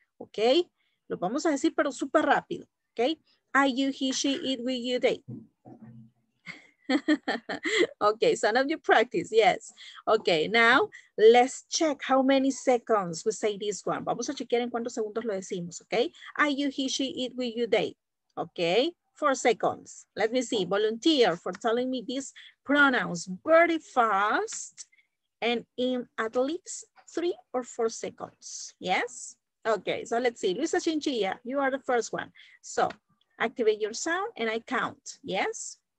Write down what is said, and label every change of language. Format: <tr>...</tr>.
<es>Okay, lo vamos a decir, pero super rápido.</es> <en>Okay, I, you, he, she, it, we, you, they. Okay, son of your practice, yes. Okay, now let's check how many seconds we say this one.</en> <es>Vamos a chequear en cuántos segundos lo decimos, okay?</es> <en>I, you, he, she, it, we, you, they. Okay, 4 seconds. Let me see, volunteer for telling me these pronouns very fast and in at least 3 or 4 seconds, yes? Okay, so let's see, Luisa Chinchilla, you are the first one. So activate your sound and I count, yes?</en>